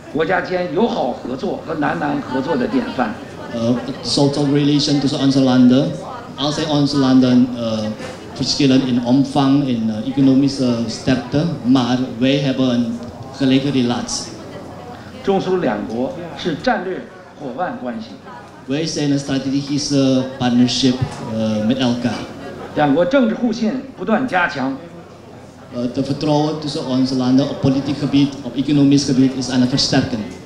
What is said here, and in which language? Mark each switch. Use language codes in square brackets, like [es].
[zh] 堪称大小不同、文化背景不同的国家间友好合作和南南合作的典范。 [en] Sort of relation [nl] tussen onze landen. Als zij onze landen verschillen in omvang, in economische sterkte, maar wij hebben een gelijke relatie. [zh] 中苏两国是战略伙伴关系。 [nl] Wij zijn een strategische partnership met elkaar. [zh] 两国政治互信不断加强。 [nl] de vertrouwen tussen onze landen op politiek gebied, op economisch gebied is aan het versterken.